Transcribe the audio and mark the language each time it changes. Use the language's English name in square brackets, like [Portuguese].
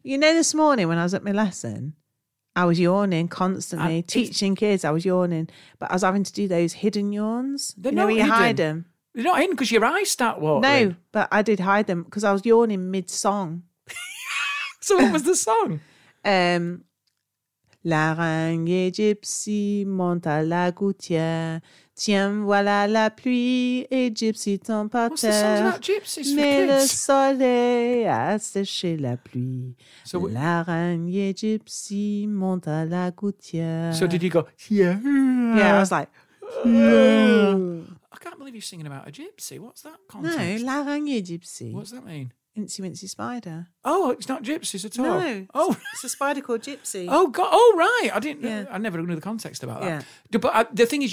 [English] You know, this morning when I was at my lesson, I was yawning constantly. Teaching kids, I was yawning, but I was having to do those hidden yawns. You know, where you hide them. They're not hidden because your eyes start watering. No, but I did hide them because I was yawning mid song. So what was the song? [French] L'araignée gypsy monte à la gouttière. Tiens, voilà la pluie et gypsy tombe par terre. [English] What's the song about gypsies? [French] Mais [English] for [French] le [English] kids? [French] Soleil a séché la pluie. So l'araignée gypsy monte à la gouttière. [English] So did you go, yeah? Yeah, I was like, yeah. I can't believe you're singing about a gypsy. What's that context? [French] No, l'araignée gypsy. [English] What's that mean? Incy Wincy Spider. Oh, it's not gypsies at all. No. Oh, it's a spider called Gypsy. Oh, God. Oh, right. I didn't. Yeah. I never knew the context about that. Yeah. But the thing is,